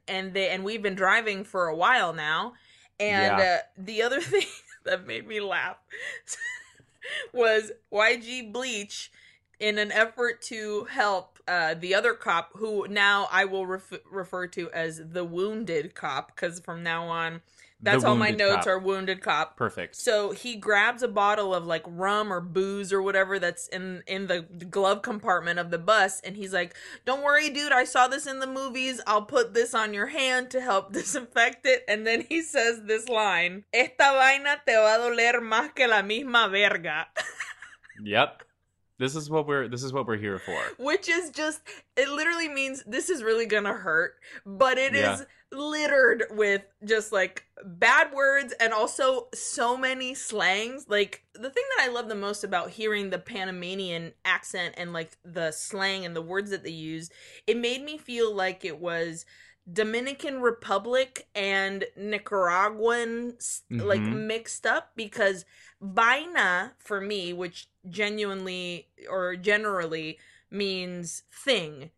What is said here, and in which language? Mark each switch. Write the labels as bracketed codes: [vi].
[en] And we've been driving for a while now. And the other thing that made me laugh was YG Bleach, in an effort to help the other cop, who now I will refer to as the wounded cop, because from now on, that's all my notes are, wounded cop. Perfect. So he grabs a bottle of, like, rum or booze or whatever that's in the glove compartment of the bus, and he's like, don't worry, dude, I saw this in the movies, I'll put this on your hand to help disinfect it. And then he says this line, [es] esta vaina te va a doler más que la misma verga. [en] Yep. This is what we're here for. Which is just, it literally means this is really gonna hurt, but it is littered with just, like, bad words and also so many slangs. Like, the thing that I love the most about hearing the Panamanian accent and, like, the slang and the words that they use, it made me feel like it was Dominican Republic and Nicaraguan, like, mixed up, because vaina, for me, which genuinely or generally means thing.